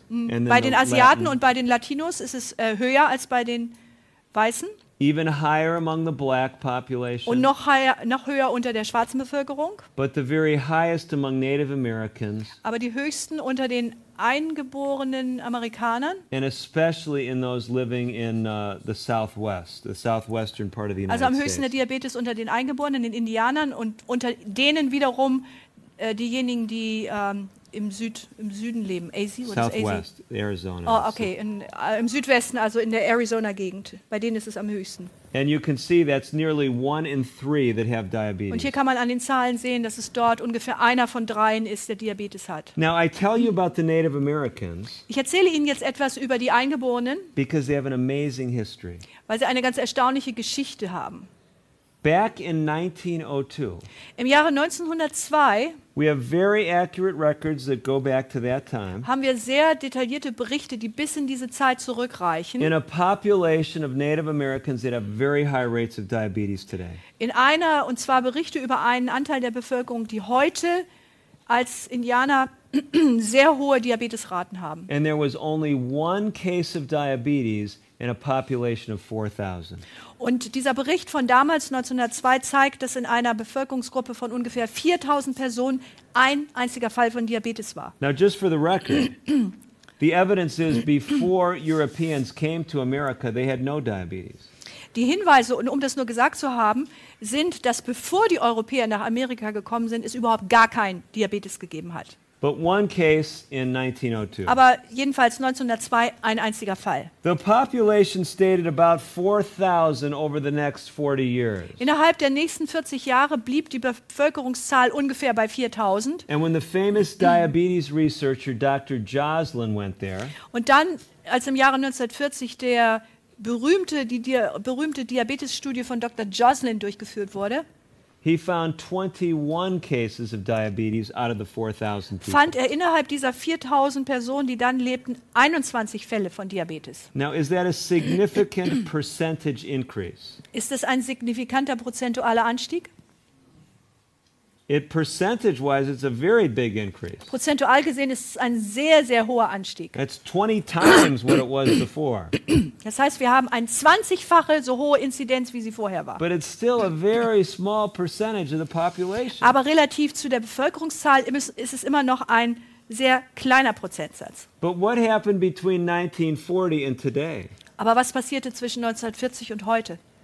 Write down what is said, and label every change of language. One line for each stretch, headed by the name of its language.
German: Den Asiaten und bei den Latinos ist es höher als bei den Weißen.
English: Even higher among the black population.
German: Und noch höher unter der schwarzen Bevölkerung.
English: But the very highest among Native Americans.
German: Aber die höchsten unter den eingeborenen Amerikanern.
English: And especially in those living in the Southwest, the southwestern part of the United States.
German: Also am höchsten der Diabetes unter den Eingeborenen, den Indianern und unter denen wiederum diejenigen, die im Süden leben. AZ,
English: what Southwest, is AZ? Arizona. Oh, okay, so.
German: Im Südwesten, also in der Arizona-Gegend. Bei denen ist es am höchsten.
English: And you can see that's nearly one in three that have diabetes.
German: Und hier kann man an den Zahlen sehen, dass es dort ungefähr einer von dreien ist, der Diabetes hat.
English: Now I tell you about the Native Americans.
German: Ich erzähle Ihnen jetzt etwas über die Eingeborenen.
English: Because they have an amazing history.
German: Weil sie eine ganz erstaunliche Geschichte haben.
English: Back in 1902.
German: Im Jahre 1902.
English: We have very accurate records that go back to that time.
German: Haben wir sehr detaillierte Berichte, die bis in diese Zeit zurückreichen.
English: In a population of Native Americans that have very high rates of diabetes today.
German: In einer und zwar Berichte über einen Anteil der Bevölkerung, die heute als Indianer sehr hohe Diabetesraten haben.
English: And there was only one case of diabetes in a population of 4000.
German: Und dieser Bericht von damals 1902 zeigt, dass in einer Bevölkerungsgruppe von ungefähr 4000 Personen ein einziger Fall von Diabetes war.
English: Now just for the record, the evidence is before Europeans came to America, they had no diabetes.
German: Die Hinweise, und um das nur gesagt zu haben, sind, dass bevor die Europäer nach Amerika gekommen sind, es überhaupt gar kein Diabetes gegeben hat.
English: But one case in 1902.
German: Aber jedenfalls 1902 ein einziger Fall.
English: The population stayed about 4000 over the next 40 years.
German: Innerhalb der nächsten 40 Jahre blieb die Bevölkerungszahl ungefähr bei 4000.
English: And when the famous diabetes researcher Dr. Joslin went there.
German: Und dann als im Jahre 1940 die berühmte Diabetesstudie von Dr. Joslin durchgeführt wurde.
English: He found 21 cases of diabetes out of the 4000 people.
German: Fand er innerhalb dieser 4000 Personen, die dann lebten, 21 Fälle von Diabetes.
English: Now is that a significant percentage increase?
German: Ist das ein signifikanter prozentualer Anstieg?
English: It percentage-wise, it's a very big increase.
German: Prozentual gesehen ist es ein sehr, sehr hoher Anstieg.
English: It's 20 times what it was before.
German: Das heißt, wir haben eine 20-fache so hohe Inzidenz, wie sie vorher war.
English: But it's still a very small percentage of the population.
German: Aber relativ zu der Bevölkerungszahl ist es immer noch ein sehr kleiner Prozentsatz.
English: But what happened between 1940 and today?
German: Aber was passierte zwischen 1940 und heute?